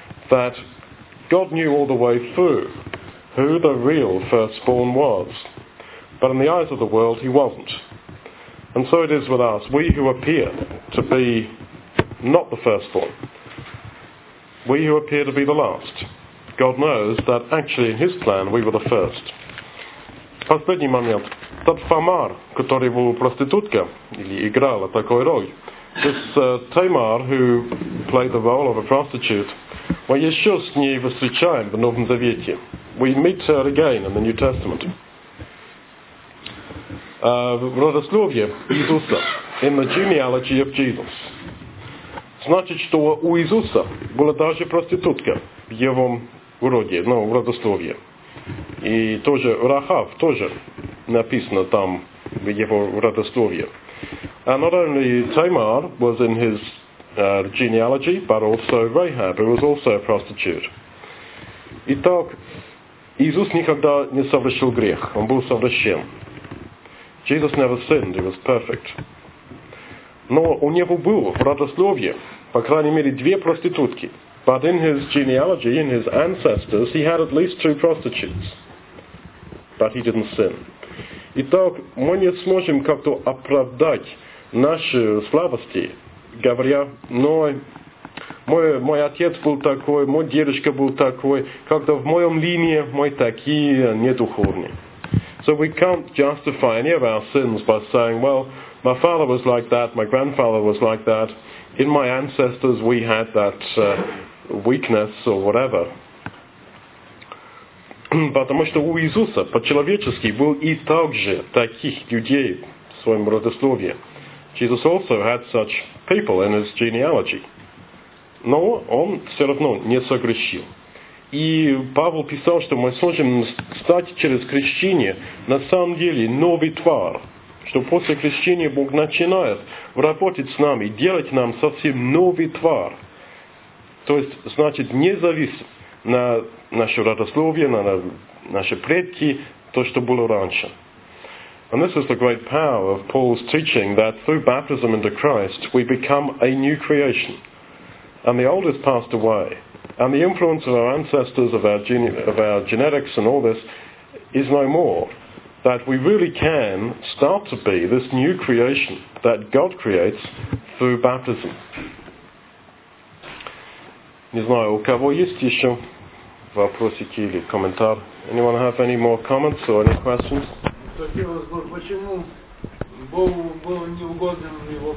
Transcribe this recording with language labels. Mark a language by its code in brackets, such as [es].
[en] That God knew all the way through who the real firstborn was. But in the eyes of the world, he wasn't. And so it is with us. We who appear to be not the firstborn, we who appear to be the last, God knows that actually in his plan, we were the first. [ru] Последний момент. Тот Фамар, который был проституткой, или играла такой роль. [en] This Tamar, who played the role of a prostitute, [ru] мы еще с ней встречаем в Новом Завете. [en] We meet her again in the New Testament. [ru] В родословии Иисуса, [en] in the genealogy of Jesus. [ru] Значит, что у Иисуса была даже проститутка в его роде, ну, в родословии. И тоже Рахав, тоже написано там в его родословии. [en] And not only Tamar was in his genealogy, but also Rahab, who was also a prostitute. [ru] Итак, Иисус никогда не совершил грех, он был совершен. [en] Jesus never sinned, he was perfect. [ru] Но у него было в родословии, по крайней мере, две проститутки. [en] But in his genealogy, in his ancestors, he had at least two prostitutes. But he didn't sin. [ru] Итак, мы не сможем как-то оправдать наши слабости, говоря, но мой отец был такой, мой дедушка был такой, как-то в моем линии мы такие недуховные. [en] So we can't justify any of our sins by saying, well, my father was like that, my grandfather was like that, in my ancestors we had that weakness or whatever. [ru] Потому что у Иисуса по-человечески был и также таких людей в своем родословии. [en] Jesus also had such people in his genealogy. [ru] Но он все равно не согрешил. И Павел писал, что мы сможем стать через крещение на самом деле новый твар, что после крещения Бог начинает работать с нами, делать нам совсем новый твар. То есть, значит, независимо на наше родословие, на наши предки, то, что было раньше. [en] And this is the great power of Paul's teaching that through baptism into Christ we become a new creation. And the old is passed away. And the influence of our ancestors, of our genetics and all this is no more. That we really can start to be this new creation that God creates through baptism. [ru] Не знаю, у кого есть еще вопросики или комментарии? [en] Anyone have any more comments or any questions? [ru] Хотелось бы, почему Богу было неугодно его